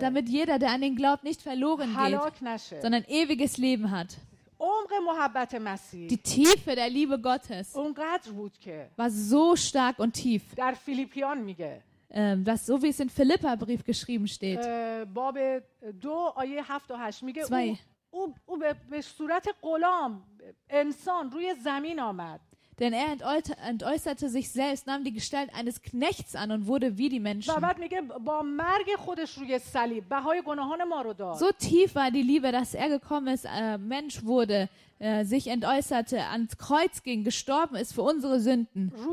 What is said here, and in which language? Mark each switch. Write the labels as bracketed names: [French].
[German] Damit jeder, der an ihn glaubt, nicht verloren geht, [Persian] نشه. [German] Sondern ewiges Leben hat. [Persian] عمق محبت مسیح [German] Die Tiefe der Liebe Gottes [Persian] اونقدر بود که [German] war so stark und tief [Persian] در فیلیپیان میگه [German] was so wie es in Philippa Brief geschrieben steht [Persian] باب 2 آیه 7 و 8 میگه [German] Zwei. [Persian] او به صورت غلام انسان روی زمین آمد [German] Denn er entäußerte sich selbst, nahm die Gestalt eines Knechts an und wurde wie die Menschen. So tief war die Liebe, dass er gekommen ist, Mensch wurde, sich entäußerte, ans Kreuz ging, gestorben ist für unsere Sünden.